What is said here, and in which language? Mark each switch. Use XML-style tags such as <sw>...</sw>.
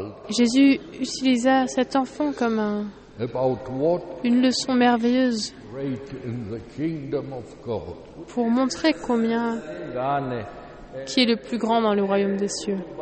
<fr>Jésus utilisa cet enfant comme un.</fr> <en>About what?</en> <fr>Une leçon merveilleuse</fr> <en>great in the kingdom of God.</en> <fr>Pour montrer combien qui est le plus grand dans le royaume des cieux.</fr>